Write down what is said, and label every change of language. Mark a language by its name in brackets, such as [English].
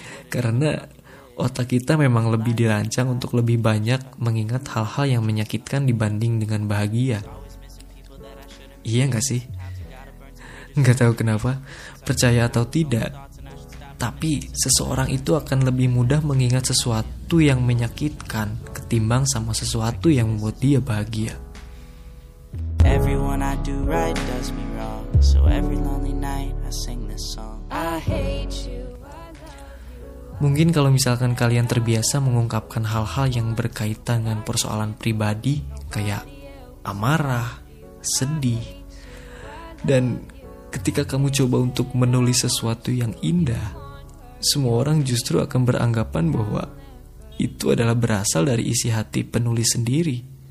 [Indonesian] Karena otak kita memang lebih dirancang untuk lebih banyak mengingat hal-hal yang menyakitkan dibanding dengan bahagia. Iya gak sih? Gak tahu kenapa, percaya atau tidak, tapi seseorang itu akan lebih mudah mengingat sesuatu yang menyakitkan ketimbang sama sesuatu yang membuat dia bahagia. [English] Everyone I do right does me wrong, so every lonely night I sing this song. I hate you. [Indonesian] Mungkin kalau misalkan kalian terbiasa mengungkapkan hal-hal yang berkaitan dengan persoalan pribadi kayak amarah, sedih, dan ketika kamu coba untuk menulis sesuatu yang indah, semua orang justru akan beranggapan bahwa itu adalah berasal dari isi hati penulis sendiri.